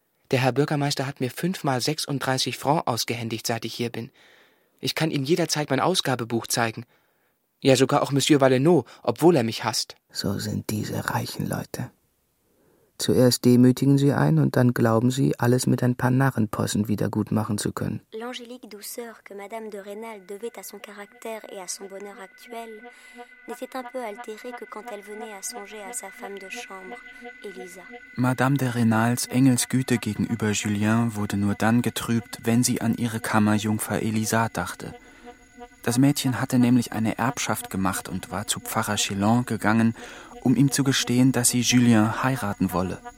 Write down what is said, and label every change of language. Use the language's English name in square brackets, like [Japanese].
[German] Der Herr Bürgermeister hat mir 5x36 Francs ausgehändigt, seit ich hier bin. Ich kann ihm jederzeit mein Ausgabebuch zeigen. Ja, sogar auch Monsieur Valenod, obwohl er mich hasst. So sind diese reichen Leute. Zuerst demütigen sie ein und dann glauben sie, alles mit ein paar Narrenpossen wieder gut machen zu können. [French] L'angélique douceur que Madame de Rênal devait à son caractère et à son bonheur actuel n'était un peu altérée que quand elle venait à songer à sa femme de chambre, Elisa. [German] Madame de Rênals Engelsgüte gegenüber Julien wurde nur dann getrübt, wenn sie an ihre Kammerjungfer Elisa dachte. Das Mädchen hatte nämlich eine Erbschaft gemacht und war zu Pfarrer Chillon gegangen, um ihm zu gestehen, dass sie Julien heiraten wolle.